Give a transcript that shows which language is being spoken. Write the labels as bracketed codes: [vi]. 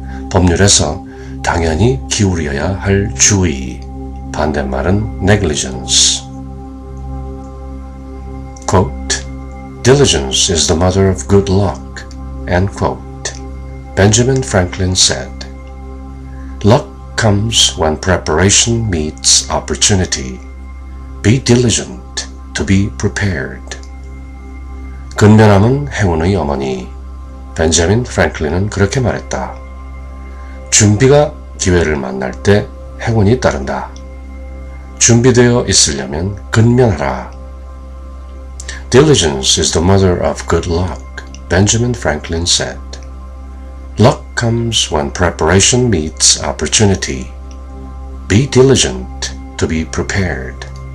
[ko] 법률에서 당연히 기울여야 할 주의. 반대말은 negligence. [en] Quote, Diligence is the mother of good luck, end quote. Benjamin Franklin said, Luck comes when preparation meets opportunity. Be diligent to be prepared. [ko] 근면함은 행운의 어머니. 벤자민 프랭클린은 그렇게 말했다. 준비가 기회를 만날 때 행운이 따른다. 준비되어 있으려면 근면하라. [en] Diligence is the mother of good luck, Benjamin Franklin said. Luck comes when preparation meets opportunity. Be diligent to be prepared.